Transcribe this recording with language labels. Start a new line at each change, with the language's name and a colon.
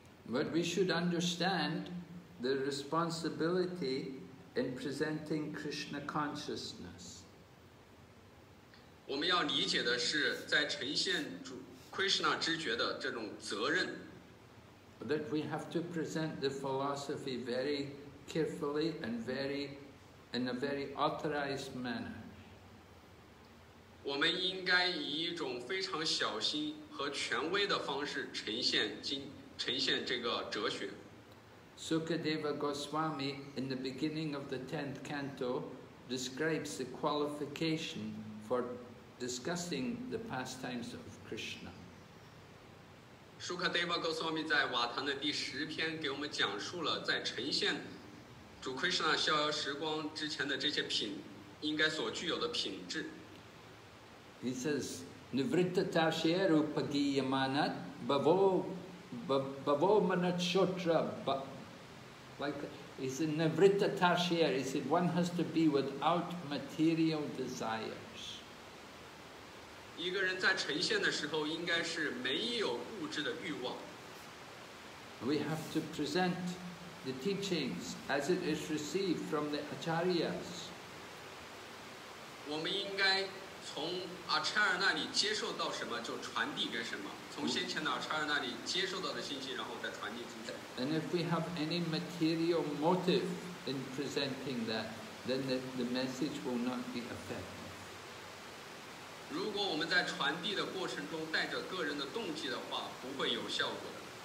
English: But we should understand the responsibility in presenting Krishna consciousness.
Chinese: 我们要理解的是在呈现主 Krishna 知觉的这种责任。
English: That we have to present the philosophy very carefully and in a very authorized manner.
Chinese: 我们应该以一种非常小心和权威的方式呈现这个哲学。
English: Sukadeva Goswami in the beginning of the 10th canto describes the qualification for discussing the pastimes of Krishna.
Chinese: Sukadeva Goswami 在瓦坛的第十篇给我们讲述了在呈现主 Krishna 逍遥时光之前的这些品应该所具有的品质。
English: He says, Nivritta Tashyeru Pagiyamanat Bavo Bavo Manat Shotra Like, he said, Nivritta Tashyeru, he said, one has to be without material desire.
Chinese: 一个人在呈现的时候应该是没有物质的欲望。
English: We have to present the teachings as it is received from the acharyas.
Chinese: 我们应该从 acharya 那里接受到什么就传递给什么，从先前的 acharya 那里接受到的信息然后再传递出去。
English: And if we have any material motive in presenting that, then the message will not be effective.
Chinese: 如果我们在传递的过程中带着个人的动机的话，不会有效果的。